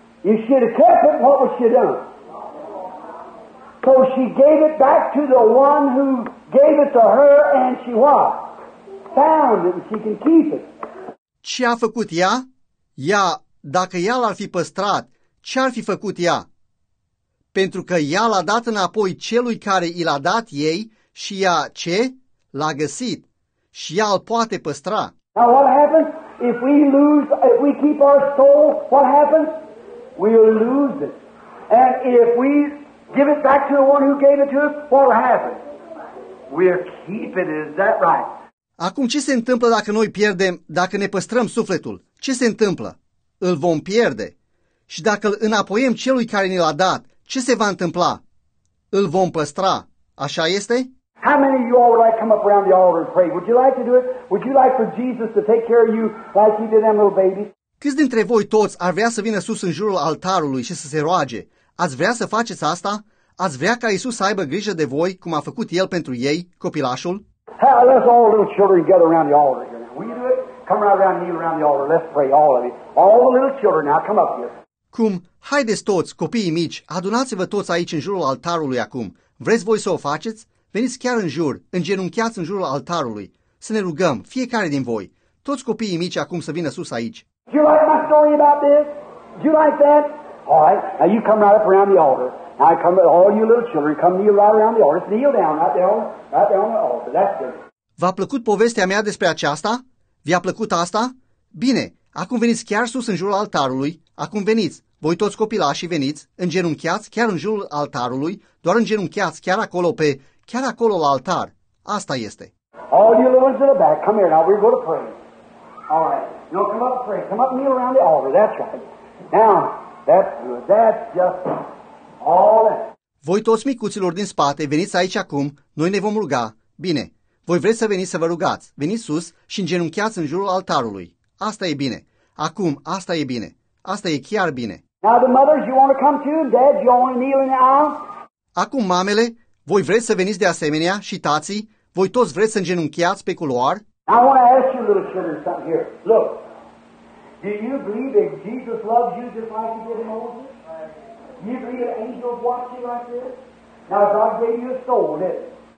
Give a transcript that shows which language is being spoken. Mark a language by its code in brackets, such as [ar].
[en] If she had kept it, what was she done? So she gave it back to the one who gave it to her, and she what? Found it, and she can keep it. [ro] Ce a făcut ea? Ea, dacă ea l-ar fi păstrat, ce ar fi făcut ea? Pentru că ea l-a dat înapoi celui care i l-a dat ei și ea ce? L-a găsit și ea îl poate păstra. [en] Now what happens? If we lose, if we keep our soul, what happens? We'll lose it. And if we give it back to the one who gave it to us, what will happen? we're keeping it. Is that right? [ro] Acum ce se întâmplă dacă noi pierdem, dacă ne păstrăm sufletul? Ce se întâmplă? Îl vom pierde. Și dacă îl înapoiem celui care ne l-a dat, ce se va întâmpla? Îl vom păstra. Așa este? [en] How many of you all would like to come up around the altar and pray? Would you like to do it? Would you like for Jesus to take care of you like he did them little babies? [ro] Câți dintre voi toți ar vrea să vină sus în jurul altarului și să se roage? Ați vrea să faceți asta? Ați vrea ca Iisus să aibă grijă de voi, cum a făcut El pentru ei, copilașul? [en] Hey, let's all the little children get around the altar again. Will you do it? Come right around me around the altar. Let's pray, all of you. All the little children now, come up here. [ro] Cum? Haideți toți, copiii mici, adunați-vă toți aici în jurul altarului acum. Vreți voi să o faceți? Veniți chiar în jur, îngenunchiați în jurul altarului. Să ne rugăm, fiecare din voi, toți copiii mici acum să vină sus aici. [en] Do you like my story about this? Do you like that? All right, now you come right up around the altar. Now come, all you little children, come kneel right around the altar. Just kneel down, right there on the altar. That's good. [ro] V-a plăcut povestea mea despre aceasta? V-a plăcut asta? Bine, acum veniți chiar sus în jurul altarului. Acum veniți, voi toți copilașii veniți, îngenunchiați chiar în jurul altarului, doar îngenunchiați chiar acolo pe, chiar acolo la altar. Asta este. [en] All you little ones in the back, come here now, we're going to pray. All right. No, come up and pray. Come up and kneel around the altar. That's right. Now, that's good. That's just all that. [ro] Voi toți micuților din spate, veniți aici acum, noi ne vom ruga. Bine. Voi vreți să veniți să vă rugați. Veniți sus și îngenunchiați în jurul altarului. Asta e bine. Acum, asta e bine. Asta e chiar bine. [en] Now, the mothers, you want to come too? Dad, you want to kneel in the aisle? [ro] Acum, mamele, voi vreți să veniți de asemenea și tații? Voi toți vreți să îngenunchiați pe culoar? [en] I want to ask you, little children, something here. Look, do you believe that Jesus loves you just like he did Moses? Do you believe that angels watch you like this? Now, God gave you a soul, didn't he?